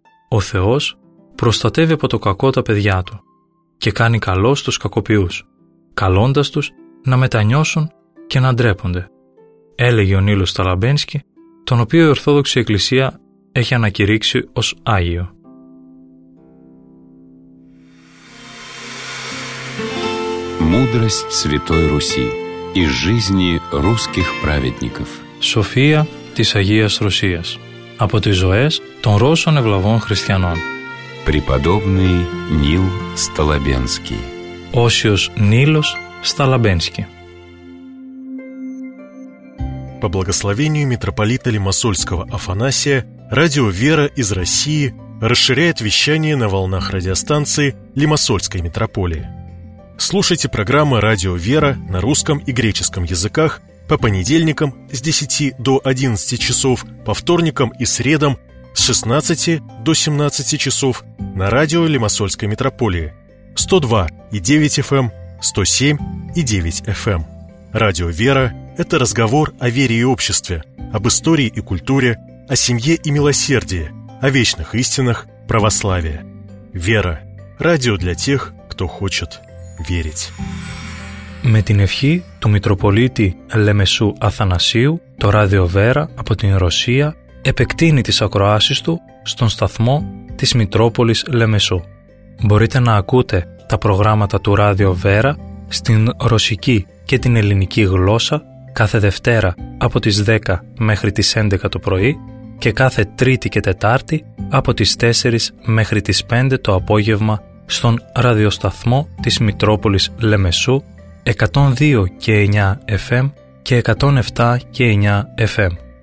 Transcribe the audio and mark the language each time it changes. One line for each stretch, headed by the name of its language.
Greek: «О Θεός προστατεύει από το κακό τα παιδιά του και κάνει καλό στους κακοποιούς, καλώντας τους να μετανιώσουν και να ντρέπονται», έλεγε ο Νίλος Σταλαμπένσκι, τον οποίο η Ορθόδοξη Εκκλησία έχει ανακηρύξει ως Άγιο.
Russian: Мудрость Святой Руси из жизни русских праведников.
Greek: София της Агίας Ρωσίας. Από τις ζωές των Ρώσων ευλαβών χριστιανών.
Russian: Преподобный Нил Столобенский.
Greek: Όσιος Нилος Столобенский.
Russian: По благословению митрополита Лимассольского Афанасия, радио «Вера» из России расширяет вещание на волнах радиостанции Лимассольской митрополии. Слушайте программы «Радио Вера» на русском и греческом языках по понедельникам с 10 до 11 часов, по вторникам и средам с 16 до 17 часов на радио Лимассольской митрополии 102.9 FM, 107.9 FM. «Радио Вера» — это разговор о вере и обществе, об истории и культуре, о семье и милосердии, о вечных истинах православия. «Вера» — радио для тех, кто хочет верить.
Greek: Με την ευχή του Μητροπολίτη Λεμεσού Αθανασίου, το Ράδιο Βέρα από την Ρωσία επεκτείνει τις ακροάσεις του στον σταθμό της Μητρόπολης Λεμεσού. Μπορείτε να ακούτε τα προγράμματα του Ράδιο Βέρα στην ρωσική και την ελληνική γλώσσα κάθε Δευτέρα από τις 10 μέχρι τις 11 το πρωί και κάθε Τρίτη και Τετάρτη από τις 4 μέχρι τις 5 το απόγευμα στον ραδιοσταθμό της Μητρόπολης Λεμεσού 102.9 FM και 107.9 FM.